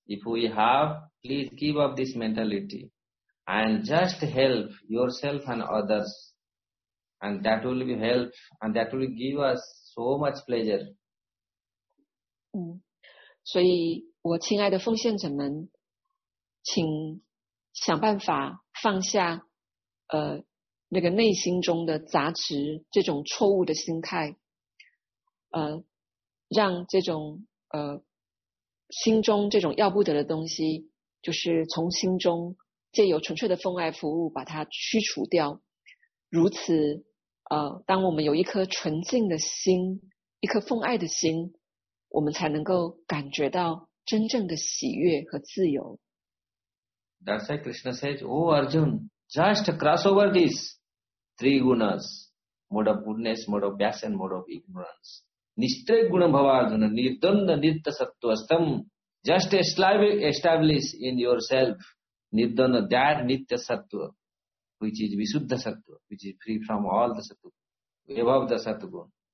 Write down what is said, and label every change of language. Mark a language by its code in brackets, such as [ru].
[en] If we have, please give up this mentality and just help yourself and others, and that will be help and that will give us so much pleasure. [zh] 所以我亲爱的奉献者们，请想办法放下那个内心中的杂质，这种错误的心态，让这种心中这种要不得的东西，就是从心中借由纯粹的奉爱服务把它驱除掉。如此当我们有一颗纯净的心，一颗奉爱的心，我们才能够感觉到真正的喜悦和自由。 [en] That's why Krishna says, Oh Arjuna, just cross over these three gunas, mode of goodness, mode of bias and mode of ignorance. [sa] Nishtre guna bhavarjuna, nirdanda nirta sattva astam, [en] just establish in yourself nirdanda that nitya sattva, which is visuddha sattva, which is free from all the sattva, above the sattva guna.